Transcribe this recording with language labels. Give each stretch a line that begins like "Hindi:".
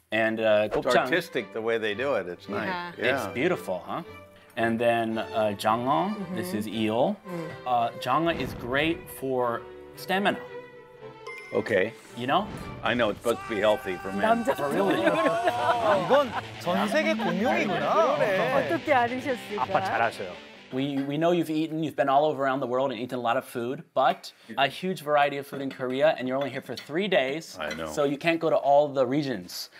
English: And 곱창. It's artistic the way they do it. It's nice. Yeah. It's beautiful, huh? And then 장어. Mm-hmm. This is eel. Mm. 장어 is great for stamina. Okay. You know? I know it's supposed to be healthy for men.
Korean: 남자
English: for really?
Korean: 이건 전 세계 공용이구나. 어떻게 아르셨을까? 아빠 잘하셔요.
English: We know you've eaten, you've been all over around the world and eaten a lot of food, but a huge variety of food in Korea, and you're only here for 3 days. I know. So you can't go to all the regions.